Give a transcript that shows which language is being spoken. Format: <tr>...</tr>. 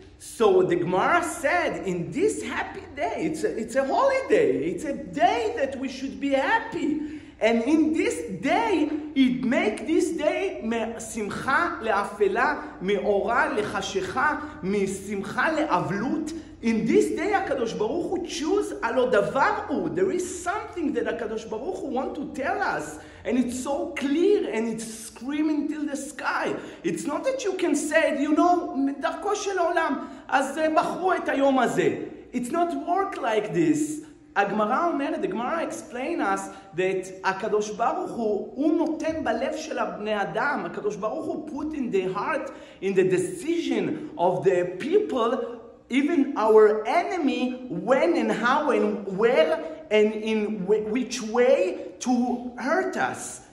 <en>So the Gemara said, in this happy day, it's a holy day, it's a day that we should be happy. And in this day, it make this day</en> <he>משמחה לאפלה, מאורה לחשיכה, משמחה לאבלות.</he> <en>In this day,</en> <he>הקדוש ברוך הוא</he> <en>choose,</en> <he>הלא דבר הוא.</he> <en>There is something that הקדוש ברוך הוא want to tell us. And it's so clear, and it's screaming till the sky. It's not that you can say, you know,</en> <he>מדרכו של העולם, אז בחרו את היום הזה.</he> <en>It's not work like this.</en> <he>הגמרא אומרת,</he> <en>the Gemara explain us that</en> <he>הקדוש ברוך הוא נותן בלב של הבני אדם,</he> <en>הקדוש ברוך הוא put in the heart, in the decision of the people, even our enemy, when and how and where and in which way to hurt us.</en>